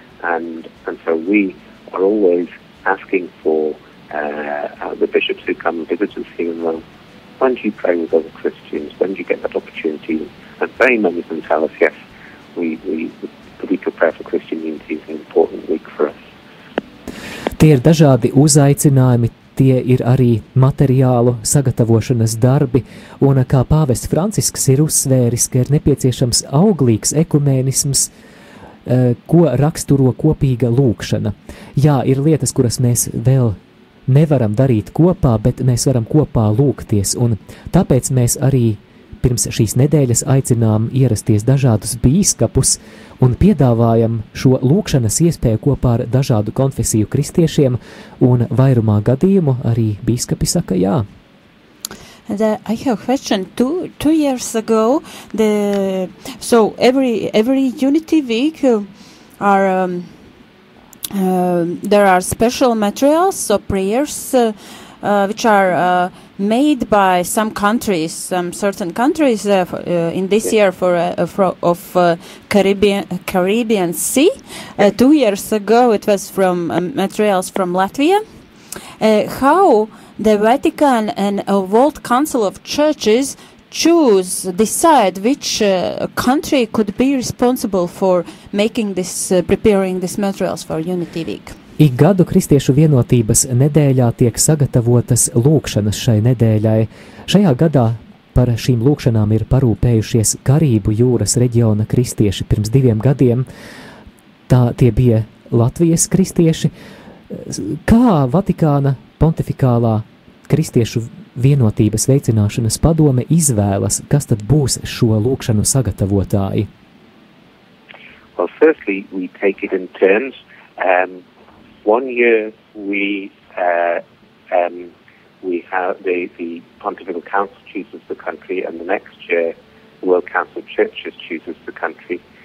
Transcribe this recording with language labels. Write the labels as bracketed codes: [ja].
[en] And so we are always asking for the bishops who come and visit us here in Rome, when do you pray with other Christians? When do you get that opportunity? And very many of them tell us, yes, the week of prayer for Christian unity is an important week for us. [lv] Tie ir dažādi uzaicinājumi, tie ir arī materiālu sagatavošanas darbi, un kā pāvests Francisks ir uzsvēris, ka ir nepieciešams auglīgs ekumenisms, ko raksturo kopīga lūkšana. Jā, ir lietas, kuras mēs vēl nevaram darīt kopā, bet mēs varam kopā lūkties, un tāpēc mēs arī pirms šīs nedēļas aicinām ierasties dažādus bīskapus un piedāvājam šo lūkšanas iespēju kopā ar dažādu konfesiju kristiešiem, un vairumā gadījumu arī bīskapi saka jā. [en] And I have a question. Two years ago, every Unity Week there are special materials, so prayers, which are made by some countries, some certain countries in this year for Caribbean Sea. 2 years ago, it was from materials from Latvia. How the Vatican and World Council of Churches decide which country could be responsible for making this, preparing this materials for Unity Week? [lv] Ik gadu Kristiešu vienotības nedēļā tiek sagatavotas lūkšanas šai nedēļai. Šajā gadā par šīm lūkšanām ir parūpējušies Karību jūras reģiona kristieši pirms 2 gadiem. Tie bija Latvijas kristieši. Kā Vatikāna pontifikālā Kristiešu vienotības veicināšanas padome izvēlas, kas tad būs šo lūkšanu sagatavotāji? [en] Well, firstly, we take it in turns. One year we have the Pontifical Council chooses the country, and the next year the World Council of Churches chooses the country.